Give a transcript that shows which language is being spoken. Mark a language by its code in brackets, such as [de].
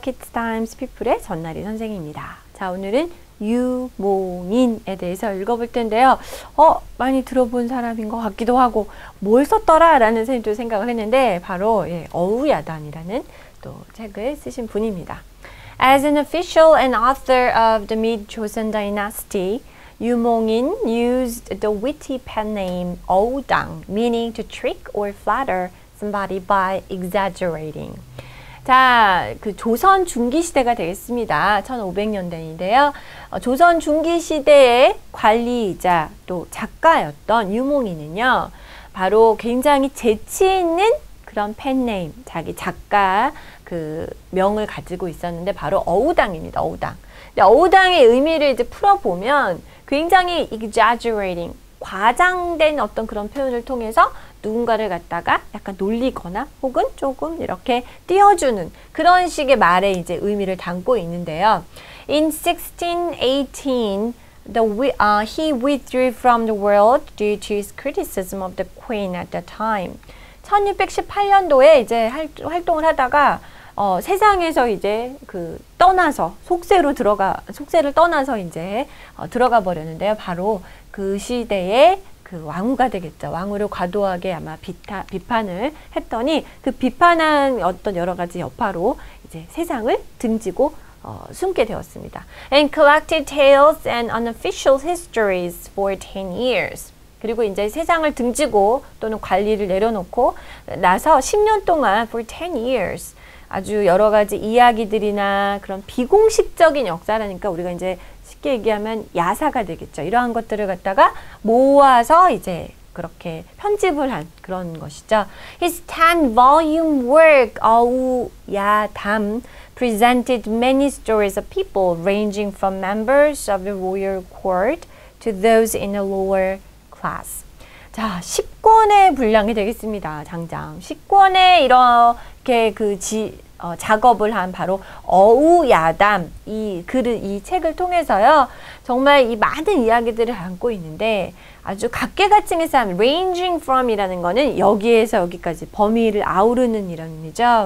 [ko] 키즈타임즈 피플의 전나리 선생입니다. 자, 오늘은 유몽인에 대해서 읽어볼 텐데요. 많이 들어본 사람인 것 같기도 하고 뭘 썼더라? 라는 선생님도 생각을 했는데 바로 어우야단이라는 또 책을 쓰신 분입니다. [en] As an official and author of the Mid-Joseon Dynasty, Yu Mong-in used the witty pen name 어우당, meaning to trick or flatter somebody by exaggerating. [ko] 자, 그 조선 중기 시대가 되겠습니다. 1500년대인데요. 조선 중기 시대의 관리이자 또 작가였던 유몽인은요, 바로 굉장히 재치 있는 그런 펜네임, 자기 작가 그 명을 가지고 있었는데 바로 어우당입니다. 어우당. 근데 어우당의 의미를 이제 풀어보면 굉장히 exaggerating, 과장된 어떤 그런 표현을 통해서 누군가를 갖다가 약간 놀리거나 혹은 조금 이렇게 띄워주는 그런 식의 말에 이제 의미를 담고 있는데요. [en] In 1618, he withdrew from the world due to his criticism of the queen at the time. [ko] 1618년도에 이제 활동을 하다가 세상에서 이제 그 떠나서 속세를 떠나서 이제 들어가 버렸는데요. 바로 그 시대에 그 왕후가 되겠죠. 왕후를 과도하게 아마 비판을 했더니 그 비판한 어떤 여러 가지 여파로 이제 세상을 등지고 숨게 되었습니다. [en] And collected tales and unofficial histories for 10 years. [ko] 그리고 이제 세상을 등지고 또는 관리를 내려놓고 나서 10년 동안 [en] for 10 years. [ko] 아주 여러 가지 이야기들이나 그런 비공식적인 역사라니까 우리가 이제 쉽게 얘기하면 야사가 되겠죠. 이러한 것들을 갖다가 모아서 이제 그렇게 편집을 한 그런 것이죠. [en] His 10-volume work, 어우야담, presented many stories of people ranging from members of the royal court to those in the lower class. [ko] 자, 10권의 분량이 되겠습니다. 장장 10권의 이렇게 그 작업을 한 바로 어우야담 이 책을 통해서요. 정말 이 많은 이야기들을 담고 있는데 아주 각계각층의 사람 [en] ranging from [ko] 이라는 거는 여기에서 여기까지 범위를 아우르는 이런 의미죠.